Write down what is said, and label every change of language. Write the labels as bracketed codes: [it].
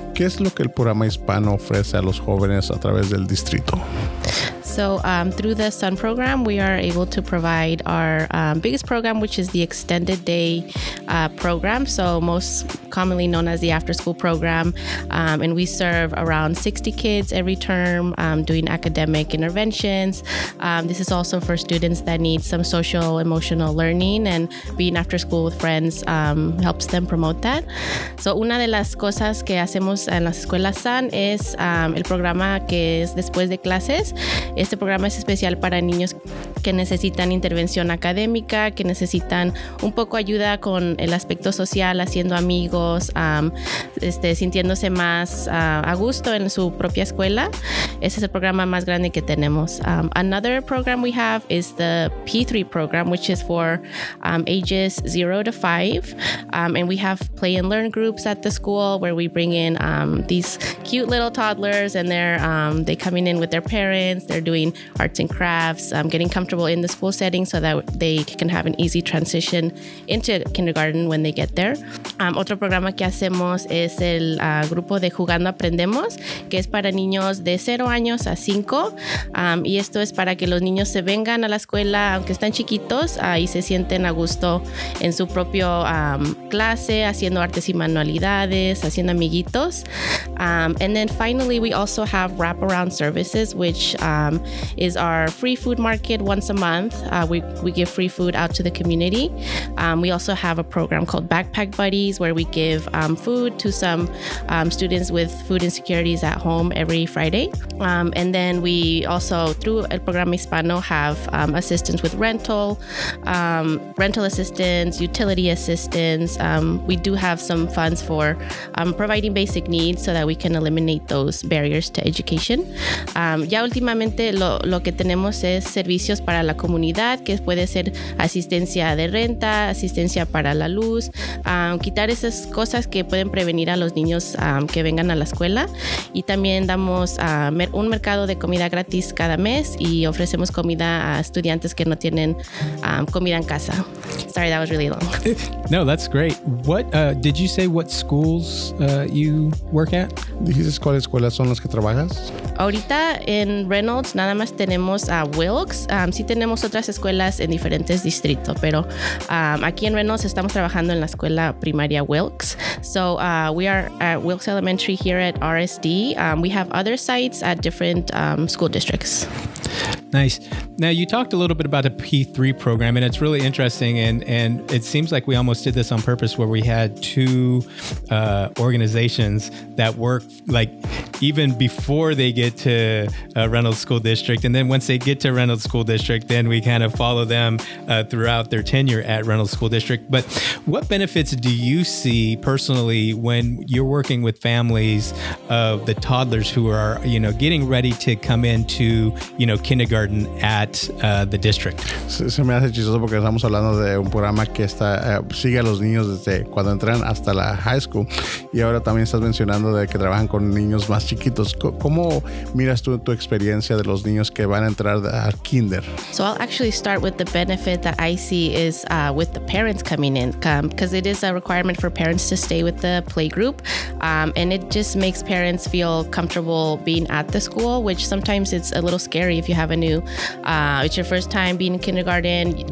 [es] ¿Qué es lo que el programa hispano ofrece a los jóvenes a través del distrito? [en] So through the SUN program, we are able to provide our biggest program, which is the extended day program. So most commonly known as the after school program. And we serve around 60 kids every term doing academic interventions. This is also for students that need some social emotional learning, and being after school with friends helps them promote that. [es] So una de las cosas que hacemos en las escuelas SUN es el programa que es después de clases. Este programa es especial para niños que necesitan intervención académica, que necesitan un poco ayuda con el aspecto social, haciendo amigos, sintiéndose más a gusto en su propia escuela. Ese es el programa más grande que tenemos. [en] Another program we have is the P3 program, which is for ages 0 to 5. And we have play and learn groups at the school where we bring in these cute little toddlers, and they're coming in with their parents. They're doing arts and crafts, getting comfortable in the school setting so that they can have an easy transition into kindergarten when they get there. [es] Otro programa que hacemos es el grupo de Jugando Aprendemos, que es para niños de 0 años a 5. Y esto es para que los niños se vengan a la escuela, aunque están chiquitos, y se sienten a gusto en su propio clase, haciendo artes y manualidades, haciendo amiguitos. [en] And then finally, we also have wraparound services, which is our free food market once a month. We give free food out to the community. We also have a program called Backpack Buddies, where we give food to some students with food insecurities at home every Friday. And then we also, through El Programa Hispano, have assistance with rental, rental assistance, utility assistance. We do have some funds for providing basic needs so that we can eliminate those barriers to education. [es] Ya últimamente lo que tenemos es servicios para la comunidad, que puede ser asistencia de renta, asistencia para la luz, quitar esas cosas que pueden prevenir a los niños que vengan a la escuela. Y también damos un mercado de comida gratis cada mes, y ofrecemos comida a estudiantes que no tienen comida en casa. [en] Sorry, that was really long. No, that's great. What did you say what schools you work at? [es] ¿Dijiste cuáles escuelas son las que trabajas? Ahorita en Reynolds nada más tenemos a Wilkes. Sí tenemos otras escuelas en diferentes distritos, pero aquí en Reynolds estamos trabajando en la escuela primaria Wilkes. [en] So we are at Wilkes Elementary here at RSD. We have other sites at different school districts. Nice. Now, you talked a little bit about the P3 program, and it's really interesting, and it seems like we almost did this on purpose, where we had two organizations that work like even before they get to Reynolds School District, and then once they get to Reynolds School District, then we kind of follow them throughout their tenure at Reynolds School District. But what benefits do you see personally when you're working with families of the toddlers who are, you know, getting ready to come into, you know, kindergarten at the district? [es] Se me hace chistoso porque estamos hablando de un programa que está sigue a los niños desde cuando entran hasta la high school, y ahora también estás mencionando de que trabajan con niños más chiquitos. ¿Cómo miras tú tu experiencia de los niños que van a entrar a kinder? [en] So I'll actually start with the benefit that I see is with the parents coming in, because it is a requirement for parents to stay with the playgroup. And it just makes parents feel comfortable being at the school, which sometimes it's a little scary if you have a new, it's your first time being in kindergarten.